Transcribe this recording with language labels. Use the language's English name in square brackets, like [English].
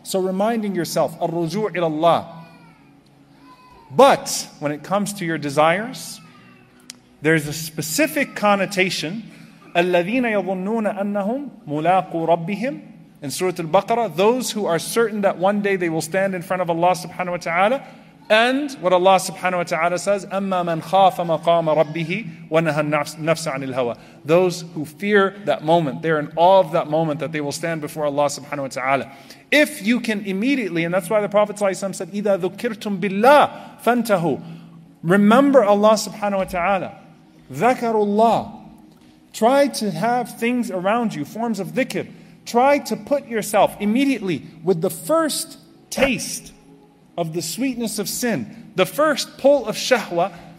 [English] So reminding yourself, [Arabic] الرجوع إلى الله. [English] But when it comes to your desires, there is a specific connotation. [Arabic] الَّذِينَ يَظُنُّونَ أَنَّهُمْ مُلَاقُوا رَبِّهِمْ. [English] In Surah Al-Baqarah, those who are certain that one day they will stand in front of Allah subhanahu wa ta'ala. And what Allah subhanahu wa ta'ala says, [Arabic] أَمَّا مَنْ خَافَ مَقَامَ رَبِّهِ وَنَهَا النَّفْسَ عَنِ الْهَوَى. [English] Those who fear that moment, they're in awe of that moment that they will stand before Allah subhanahu wa ta'ala. If you can immediately, and that's why the Prophet said, [Arabic] إِذَا ذُكِّرْتُمْ بِاللَّهِ فَانْتَهُ. [English] Remember Allah subhanahu wa ta'ala. [Arabic] ذَكَرُ اللَّهِ. [English] Try to have things around you, forms of dhikr. Try to put yourself immediately with the first taste of the sweetness of sin, the first pull of shahwa.